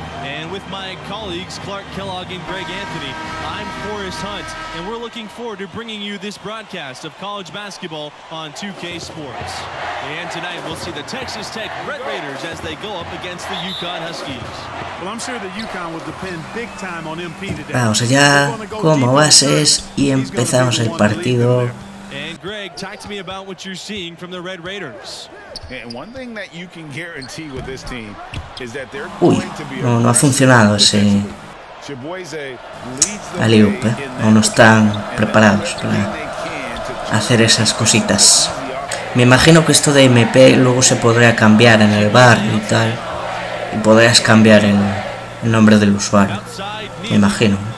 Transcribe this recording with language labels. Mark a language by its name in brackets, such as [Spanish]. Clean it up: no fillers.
[English] And with my colleagues Clark Kellogg and Greg Anthony, I'm Forrest Hunt, and we're looking forward to bringing you this broadcast of college basketball on 2K Sports. And tonight we'll see the Texas Tech Red Raiders as they go up against the UConn Huskies. Well, I'm sure the UConn will depend big time on MP today. [Spanish] Vamos allá, como bases, y empezamos el partido. [English] Greg. Talk to me about what you're seeing from the Red Raiders. And one thing that you can guarantee with this team is that they're [Spanish] no ha funcionado ese alley-oop, ¿eh? O no están preparados para hacer esas cositas. Me imagino que esto de MP luego se podrá cambiar en el bar y tal, y podrás cambiar el nombre del usuario, me imagino.